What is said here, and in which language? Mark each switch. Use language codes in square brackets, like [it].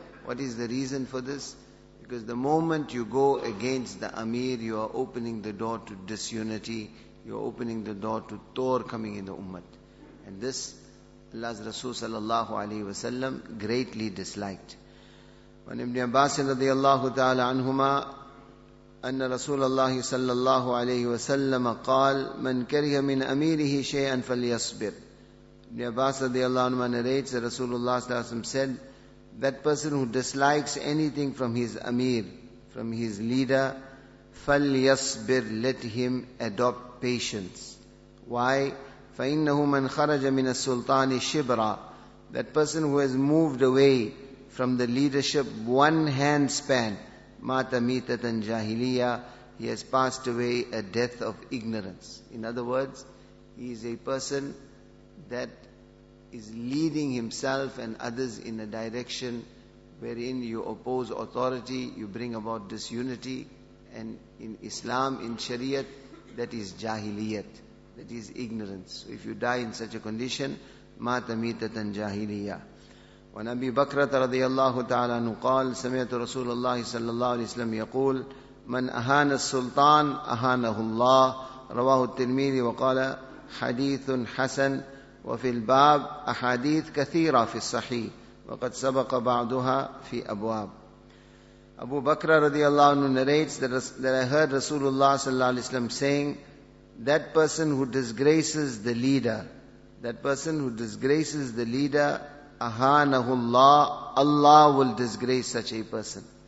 [en] What is the reason for this? Because the moment you go against the Amir, you are opening the door to disunity. You are opening the door to Tor coming in the Ummat. And this, Allah's Rasul sallallahu alayhi wa sallam greatly disliked. When Ibn Abbas radiallahu ta'ala anhuma, [ar] أن رسول الله صلى الله عليه وسلم قال من كره من أميره شيئا فليصبر. [en] ابن عباس رضي الله عنه narrates that رسول الله صلى الله عليه وسلم said that person who dislikes anything from his Amir, from his leader, [ar] فليصبر, [en] let him adopt patience. Why? [ar] فإنه من خرج من السلطان شبرا. [en] That person who has moved away from the leadership one hand span, [ar] Mata mitatan jahiliya, [en] he has passed away a death of ignorance. In other words, he is a person that is leading himself and others in a direction wherein you oppose authority, you bring about disunity, and in Islam, in Shariat, that is jahiliyat, that is ignorance. So if you die in such a condition, [ar] mata mitatan jahiliya. وعن أبي بكرة رضي الله تعالى عنه قال سمعت رسول الله صلى الله عليه وسلم يقول من أهان السلطان أهانه الله رواه الترمذي وقال حديث حسن وفي الباب أحاديث كثيرة في الصحيح وقد سبق بعضها في أبواب. [en] أبو بكرة رضي الله عنه narrates that I heard رسول الله صلى الله عليه وسلم saying that person who disgraces the leader, that person who disgraces the leader, Ahanahullah, Allah will disgrace such a person.